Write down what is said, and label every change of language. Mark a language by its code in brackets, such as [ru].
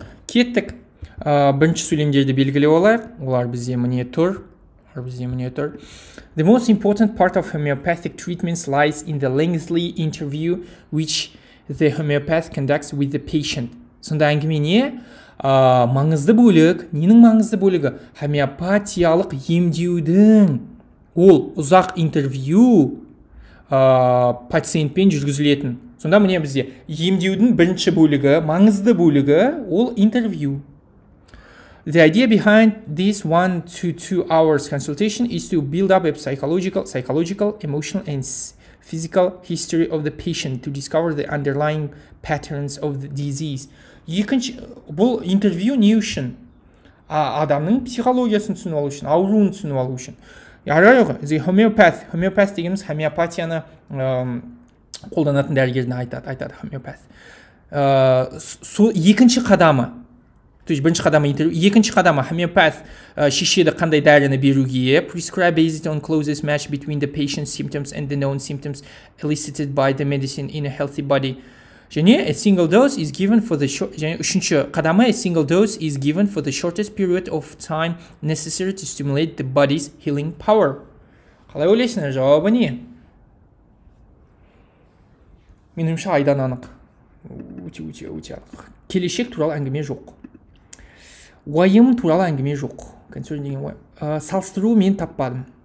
[kk] Кеттік. Бірінші сөйлемдерді белгілеп алайық. Олар бізде міне тұр. [en] The most important part of homeopathic treatments lies in the lengthy interview which the homeopath conducts with the patient. [kk] Сонда әңгіме не? Маңызды бөлік, ненің маңызды бөлігі? Хомеопатиялық емдеудің. Ол ұзақ интервью пациентпен жүргізілетін. Сонда міне бізде емдеудің бірінші бөлігі, маңызды бөлігі ол интервью. [en] The idea behind this 1 to 2 hours consultation is to build up a psychological, emotional and physical history of the patient to discover the underlying patterns of the disease. [kk] Екінші, бұл интервью не үшін? Адамның психологиясын түсіну алу үшін, ауруын түсіну алу үшін. Homeopath дегеніміз хомеопатияны қолданатын дәрігердің айтады homeopath. Екінші қадамы. То есть бірінші қадамы интервью, екінші қадамы homeopath шешеді қандай дәріні беруге. [en] Prescribe based on closest match between the patient's symptoms and the known symptoms elicited by the medicine in a healthy body. [kk] Және [en] a single dose is given for the [kk] үшінші қадамы [en] a single dose is given for the shortest period of time necessary to stimulate the body's healing power. [kk] Қалай ойлайсың, жауабы не? Менің айдан анық. Өте анық. Келешек туралы әңгіме жоқ. Уайым туралы әңгіме жоқ. Консерн деген уайым. Салыстыру мен таппадым.